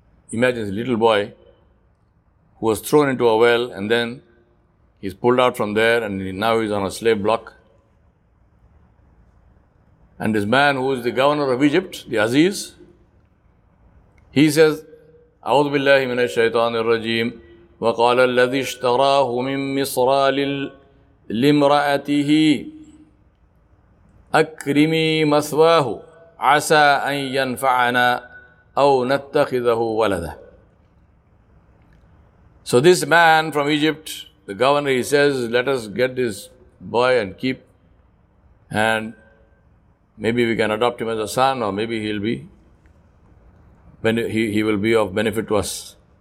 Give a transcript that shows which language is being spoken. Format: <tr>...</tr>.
<en>Imagine a little boy who was thrown into a well, and then he's pulled out from there, and now he's on a slave block. And this man who is the governor of Egypt, the Aziz, he says,</en> <ar>A'udhu billahi minash shaitanir rajim. وقال الذي اشتراه من مصر لامرأته أكرمي مثواه عسى أن ينفعنا أو نتخذه ولدا.</ar> <en>So this man from Egypt, the governor, he says, let us get this boy and keep, and maybe we can adopt him as a son, or maybe he will be of benefit to us.</en>